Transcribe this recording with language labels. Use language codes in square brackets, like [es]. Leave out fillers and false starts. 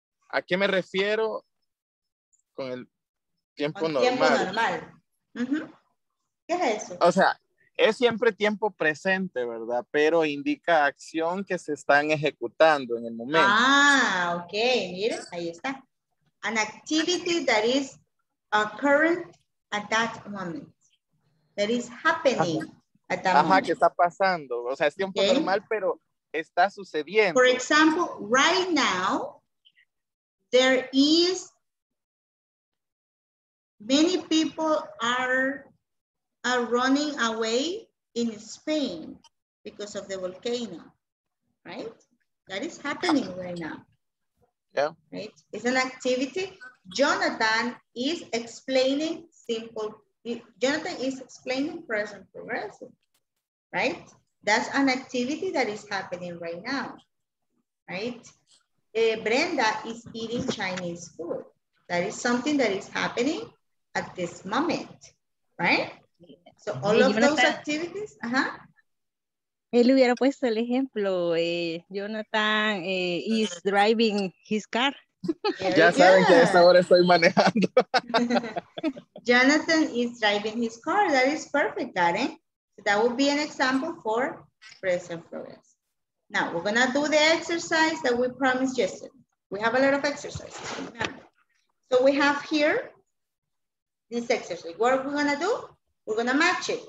[es] ¿A qué me refiero con el tiempo con normal? Tiempo normal. Uh-huh. ¿Qué es eso? O sea, Es siempre tiempo presente, ¿verdad? Pero indica acción que se están ejecutando en el momento. Ah, ok. Mire, ahí está. [en] An activity that is occurring at that moment. That is happening at that moment. [es] Ajá, que está pasando. O sea, es tiempo normal, pero está sucediendo. [en] For example, right now, there is many people are running away in Spain because of the volcano, right? That is happening right now. Yeah. Right? It's an activity. Jonathan is explaining simple. Jonathan is explaining present progressive, right? That's an activity that is happening right now, right? Brenda is eating Chinese food. That is something that is happening at this moment, right? So all of those activities, [es] Él hubiera puesto el ejemplo, [en] Jonathan is driving his car. [es] Ya saben que a esta hora estoy manejando. [en] Jonathan is driving his car. That is perfect, Karen. That would be an example for present progress. Now, we're going to do the exercise that we promised yesterday. We have a lot of exercises. So we have here this exercise. What are we going to do? We're going to match it.